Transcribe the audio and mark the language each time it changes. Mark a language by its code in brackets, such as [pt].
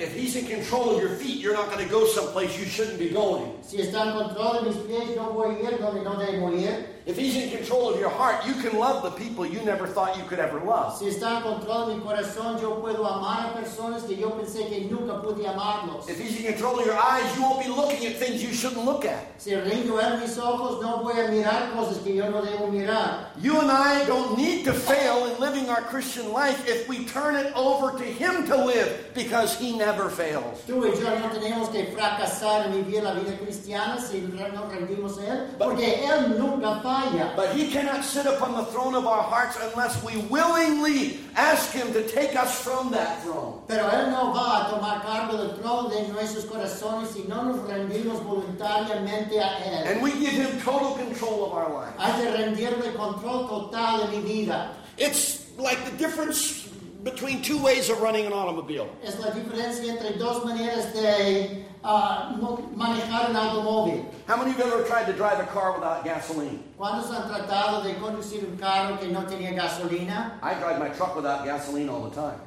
[en] If he's in control of your feet, you're not going to go someplace you shouldn't be going. [es] Si está en control de mis pies, no voy a ir donde no debo ir. [en] If he's in control of your heart, you can love the people you never thought you could ever love. [es] Si está en control de mi corazón, yo puedo amar a personas que yo pensé que nunca pude amarlos. [en] If he's in control of your eyes, you won't be looking at things you shouldn't look at. [es] Si rindo él mis ojos, no voy a mirar cosas que yo no debo mirar. [en] You and I don't need to fail in living our Christian life if we turn it over to him to live, because he never fails. [es] Tú y yo no tenemos que fracasar en vivir la vida cristiana si no rendimos a él, porque él nunca falla. [en] But he cannot sit upon the throne of our hearts unless we willingly ask him to take us from that throne. [es] Pero él no va a tomar cargo del trono de nuestros corazones si no nos rendimos voluntariamente a él. [en] And we give him total control of our life. [es] Hay que rendirle control total de mi vida. [en] It's like the difference between two ways of running an automobile. [es] Es la diferencia entre dos maneras de manejar un automóvil. [en] How many of you have ever tried to drive a car without gasoline? [es] ¿Cuántos han tratado de conducir un carro que no tenía gasolina? [en] I drive my truck without gasoline all the time.